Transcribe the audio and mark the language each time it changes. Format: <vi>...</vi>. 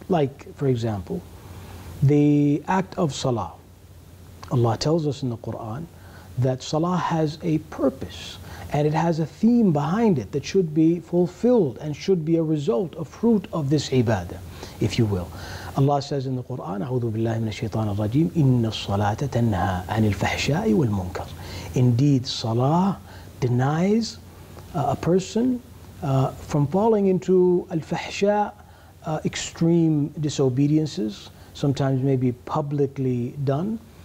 <en>Like, for example, the act of salah. Allah tells us in the Quran that salah has a purpose and it has a theme behind it that should be fulfilled and should be a result, a fruit of this ibadah, if you will. Allah says in the Quran,</en> <ar>أعوذ بالله من الشيطان الرجيم إن الصلاة تنهى عن الفحشاء والمنكر.</ar> <en>Indeed, salah denies a person from falling into الفحشاء, extreme disobediences, sometimes maybe publicly done.</en>